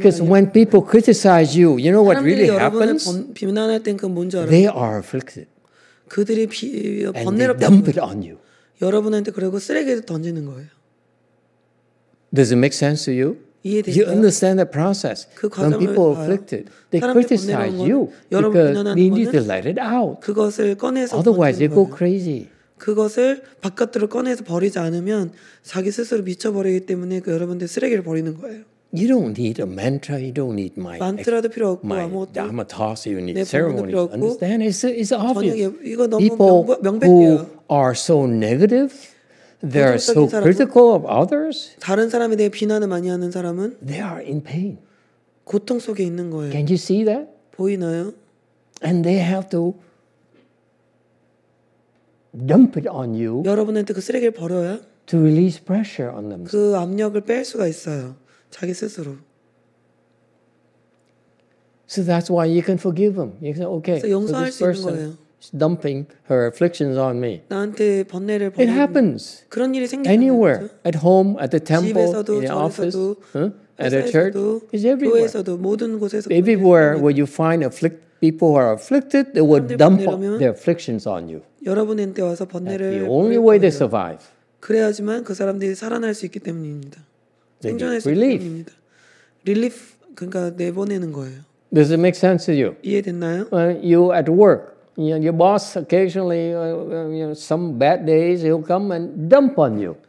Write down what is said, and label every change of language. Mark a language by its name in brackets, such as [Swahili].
[English] Because when people criticize you, you know what really happens? [Korean] 비난할 때 그 뭔지 알아요? [English] They are afflicted. [Korean] 그들이 번뇌롭게 [English] dump it on you. [Korean] 여러분한테 그리고 쓰레기를 던지는 거예요. [English] Does it make sense to you? You understand the process. When people are afflicted, they criticize you because they need to let it out. [Korean] 그것을 꺼내서 [English] otherwise they go crazy. [Korean] 그것을 바깥으로 꺼내서 버리지 않으면 자기 스스로 미쳐버리기 때문에 그 여러분들 쓰레기를 버리는 거예요. [English] You don't need a mantra. You don't need my [Korean] 만트라도 필요 없고 [English] my [Korean] 아무것도 [English] Dharma talks. You need ceremonies. Understand? It's obvious. [Korean] 이거 너무 명백해요. [English] Who are so negative? They are so critical of others. [Korean] 다른 사람에 대해 비난을 많이 하는 사람은 [English] they are in pain. [Korean] 고통 속에 있는 거예요. [English] Can you see that? [Korean] 보이나요? [English] And they have to dump it on you. [Korean] 여러분한테 그 쓰레기를 버려야 [English] to release pressure on themselves. [Korean] 그 압력을 뺄 수가 있어요. 자기 스스로. [English] So that's why you can forgive them. You can okay. [Korean] 용서할 수 있는 거예요. [English] Dumping her afflictions on me. [Korean] 나한테 번뇌를 [English] It happens. [Korean] 그런 일이 생기는 [English] anywhere. [Korean] 거죠? [English] At home, at the temple, in the office, at a church, it's everywhere. [Korean] 교회에서도 모든 곳에서 [English] everywhere where you find afflict people who are afflicted, they will dump their afflictions on you. [Korean] 여러분한테 와서 번뇌를 [English] the only way [Korean] 거예요. [English] They survive. [Korean] 그래야지만 그 사람들이 살아날 수 있기 때문입니다. 생존할 수 [English] relief. [Korean] 때문입니다. [English] Relief. [Korean] 그러니까 내보내는 거예요. [English] Does it make sense to you? [Korean] 이해됐나요? [English] Well, you at work. Your boss occasionally, some bad days, he'll come and dump on you.